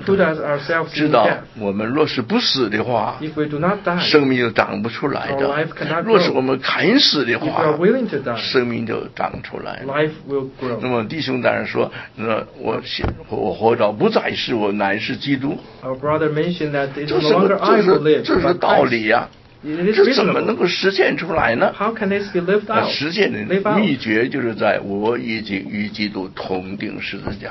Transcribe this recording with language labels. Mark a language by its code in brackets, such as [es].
[en] to put ourselves [zh] 知道我们若是不死的话 [en] if we do not die, [zh] 生命就长不出来的 [en] our life cannot grow, [zh] 若是我们肯死的话 [en] if we are willing to die, [zh] 生命就长出来 [en] life will grow. [zh] 那么弟兄当然说那 我活着不再是我乃是基督 [en] our brother mentioned that it's no longer I will live, [zh] 这是道理啊这怎么能够实现出来呢 [en] How can this be lived out? [zh] 实现的秘诀就是在我已经与基督同钉十字架